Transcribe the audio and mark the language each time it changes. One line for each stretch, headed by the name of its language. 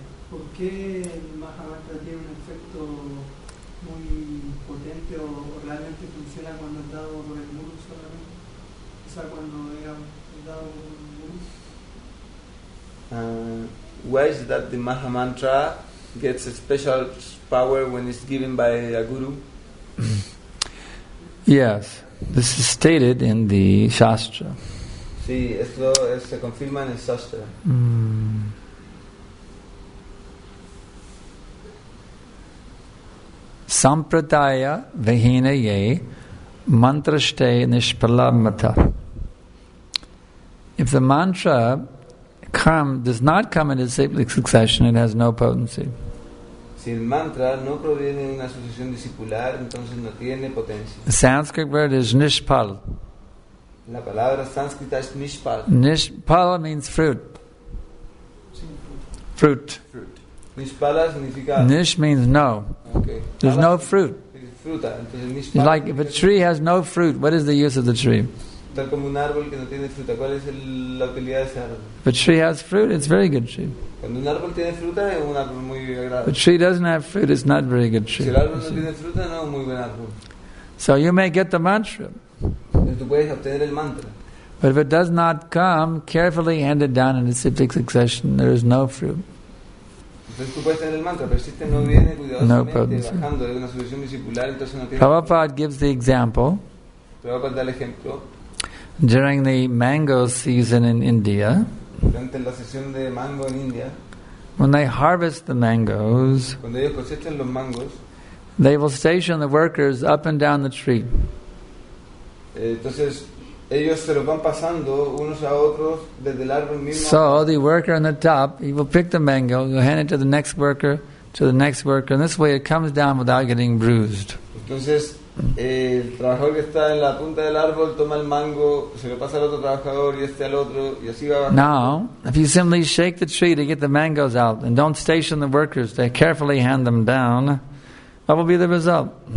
Spanish: ¿Por qué el Mahabharata tiene un efecto muy potente o realmente funciona cuando es dado por el Guru solamente? O sea, cuando era dado por el Guru.
English: Why is that the Mahamantra gets a special power when it's given by a Guru? Yes, this is stated in the Shastra.
Spanish: Sí, esto se confirma en el sastra.
Sanskrit: Sampradaya vihina ye mantraste nishpalamata.
English: If the mantra does not come in a disciplic succession, it has no potency.
Spanish: Si el mantra no proviene de una sucesión discipular, entonces no tiene potencia.
English: The Sanskrit word is nishpal.
Spanish: La palabra sánscrita es nishpal.
English: Nishpal means fruit.
Spanish: Fruit. Nishpala significa.
English: Nish means no. Okay. There's no fruit.
Spanish: Fruta.
English: It's like if a tree has no fruit, what is the use of the tree?
Spanish: Tal como un árbol que no tiene fruta, ¿cuál es la utilidad de ese árbol?
English: If a tree has fruit, it's a very good tree.
Spanish: Cuando un árbol tiene fruta, es un árbol muy agradable.
English: If a tree doesn't have fruit, it's not a very good tree.
Spanish: Si el árbol no tiene fruta, no es muy buen árbol.
English: So you may get the mantra.
Spanish: Tú puedes obtener el mantra.
English: But if it does not come carefully handed down in a disciplic succession, there is no fruit.
Spanish: Entonces tú puedes tener el mantra, pero si este no viene cuidadosamente bajando de una sucesión discipular, entonces no tiene.
English: Prabhupada gives the example.
Spanish: Prabhupada da el ejemplo.
English: During the mango season in India.
Spanish: Durante la sesión de mango en India.
English: When they harvest the mangoes.
Spanish: Cuando ellos cosechan los mangos.
English: They will station the workers up and down the tree.
Spanish: Entonces ellos se los van pasando unos a otros desde el árbol mismo.
English: So the worker on the top, he will pick the mango, he'll hand it to the next worker, to the next worker, and this way it comes down without getting bruised.
Spanish: Entonces el trabajador que está en la punta del árbol toma el mango, se lo pasa al otro trabajador y este al otro y así va bajando.
English: Now, if you simply shake the tree to get the mangoes out and don't station the workers, they carefully hand them down, what will be the result?